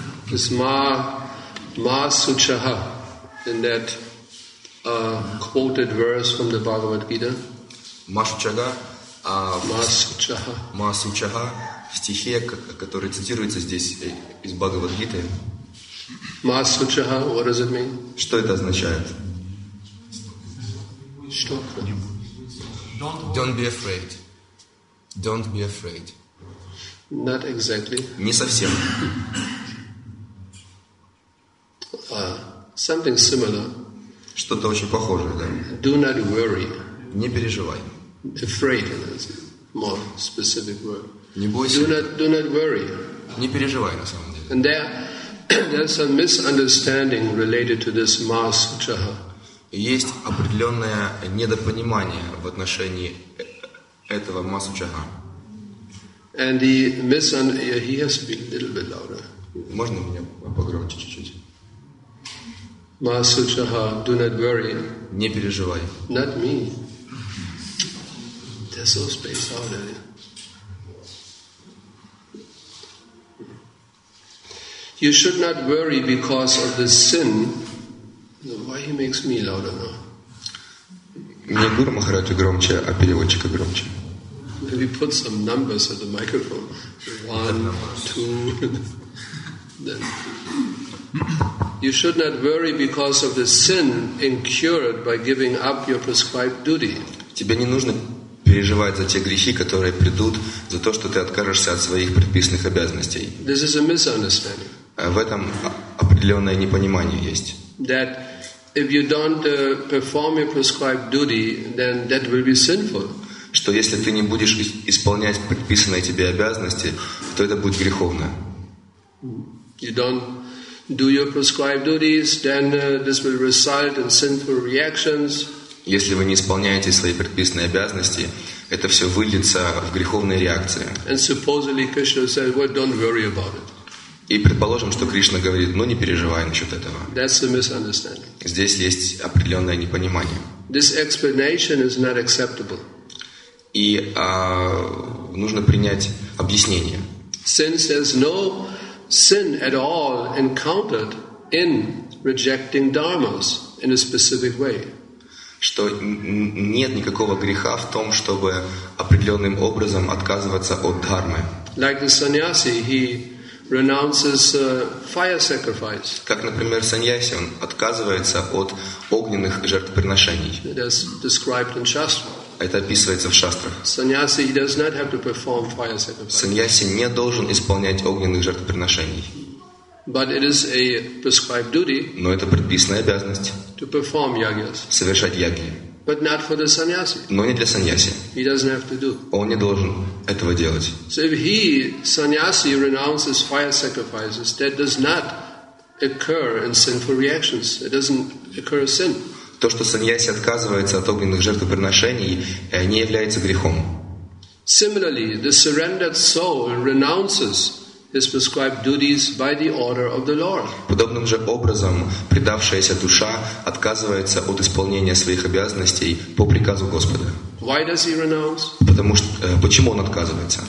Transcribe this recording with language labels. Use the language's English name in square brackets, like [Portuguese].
[English] This Ma Suchaha in that a quoted verse from the Bhagavad Gita. [Russian] Масучага. Масучага. Масучага. В стихе, который цитируется здесь из Бхагавад Гиты. [English] Масучага. What does it mean? [Russian] Что это означает? Что? [English] Don't be afraid. Don't be afraid. Not exactly. [Russian] Не совсем. [English] Something similar. [Russian] Что-то очень похожее, да? [English] Do not worry. [Russian] Не переживай. [English] Afraid. more specific word. [Russian] Не бойся. [English] Do not worry. [Russian] Не переживай, на самом деле. [English] And there's a misunderstanding related to this mass utsaha. [Russian] Есть определенное недопонимание в отношении этого mass utsaha. [English] And the misunderstanding, he has to be a little bit louder. [Russian] Можно мне погромче чуть-чуть? [English] Mass utsaha, do not worry. [Russian] Не переживай. [English] Not me. There's no space out there. You should not worry because of the sin. Why he makes me louder now? [Russian] Не Гуру Махараджа громче, а переводчика громче. [English] Maybe put some numbers at the microphone. One, two. Then. You should not worry because of the sin incurred by giving up your prescribed duty. [Russian] Тебе не нужно переживать за те грехи, которые придут за то, что ты откажешься от своих предписанных обязанностей. [English] This is a misunderstanding. [Russian] В этом определенное непонимание есть. [English] That if you don't perform your prescribed duty, then that will be sinful. [Russian] Что если ты не будешь исполнять предписанные тебе обязанности, то это будет греховно. [English] You don't do your prescribed duties, then this will result in sinful reactions. [Russian] Если вы не исполняете свои предписанные обязанности, это все выльется в греховные реакции. [English] And supposedly Krishna says, well, don't worry about it. [Russian] И предположим, что Кришна говорит, ну не переживай насчет этого. [English] That's a misunderstanding. [Russian] Здесь есть определенное непонимание. [English] This explanation is not acceptable. [Russian] И нужно принять объяснение. [English] Since there's no sin at all encountered in rejecting dharmas in a specific way. [Russian] Что нет никакого греха в том, чтобы определенным образом отказываться от дхармы. [English] Like the sannyasi, he renounces fire sacrifice. [Russian] Как, например, саньяси, он отказывается от огненных жертвоприношений. [English] It is described in Shastra. [Russian] Это описывается в шастрах. [English] Sannyasi does not have to perform fire sacrifice. [Russian] Саньяси не должен исполнять огненных жертвоприношений. [English] But it is a prescribed duty. [Russian] Но это предписанная обязанность. [English] To perform yagyas. [Russian] Совершать яги. [English] But not for the sannyasi. [Russian] Но не для саньяси. [English] He doesn't have to do. [Russian] Он не должен этого делать. [English] So if he, sannyasi, renounces fire sacrifices, that does not occur in sinful reactions. It doesn't occur as sin. [Russian] То, что саньяси отказывается от огненных жертвоприношений, не является грехом. [English] Similarly, the surrendered soul renounces his prescribed duties by the order of the Lord. [Russian] Подобным же образом предавшаяся душа отказывается от исполнения своих обязанностей по приказу Господа. [English] Why does he renounce? [Russian] Потому что почему он отказывается?